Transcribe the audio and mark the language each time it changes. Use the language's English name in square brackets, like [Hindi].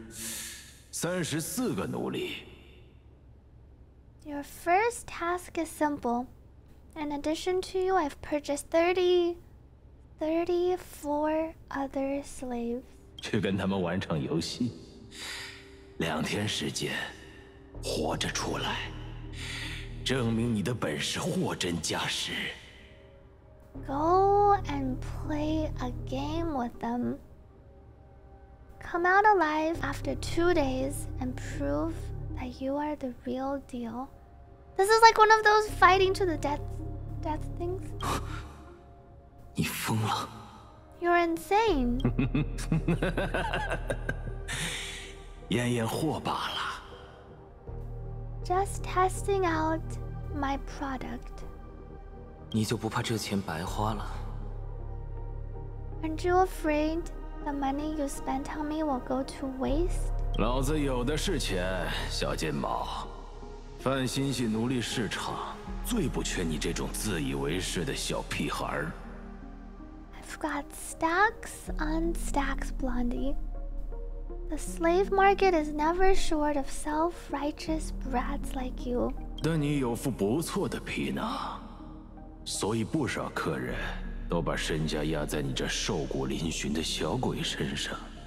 [Chinese] 给你的第一个命令很简单。除你以外，我还买了另外三十四个奴隶。 [English] Your first task is simple. In addition to you, I've purchased 34 other slaves. [Chinese] 去跟他们玩场游戏，两天时间，活着出来，证明你的本事货真价实。 [English] Go and play a game with them. Come out alive after 2 days and prove that you are the real deal. This is like one of those fighting to the death things. [Chinese] 你疯了? [English] You're insane. [Chinese] 验验货罢了, [English] Just testing out my product. [Chinese] 你就不怕这钱白花了？ [English] Aren't you afraid the money you spent on me will go to waste? [Chinese] 老子有的是钱，小金毛。泛心系奴隶市场，最不缺你这种自以为是的小屁孩。 [English] I've got stacks on stacks, Blondie. The slave market is never short of self-righteous brats like you. [Chinese] 但你有副不错的皮囊，所以不少客人都把身家压在你这瘦骨嶙峋的小鬼身上。